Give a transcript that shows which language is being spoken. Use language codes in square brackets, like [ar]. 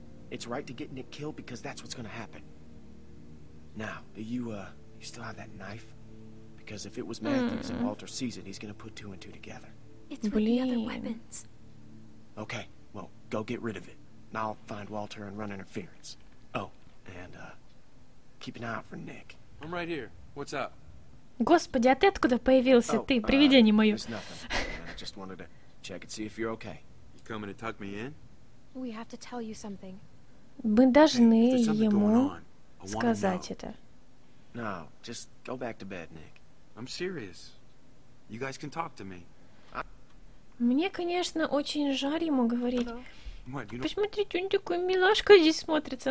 [en] It's right to get Nick killed because that's what's gonna happen. Now, do you you still have that knife? Because if it was Matthews and Walter sees it, he's gonna put two and two together. It's with the other weapons. Okay, well, go get rid of it. I'll find Walter and run interference. Oh, and keep an eye out for Nick. I'm right here. What's up? [ru] Господи, а ты откуда появился, ты, привидение мое? [en] There's nothing. I just wanted to check and see if you're okay. You coming to tuck me in? We have to tell you something. [ru] Мы должны ему сказать это. [en] No, just go back to bed, Nick. I'm serious. You guys can talk to me. [ru] Мне, конечно, очень жаль ему говорить. Посмотрите, он такой милашка здесь смотрится.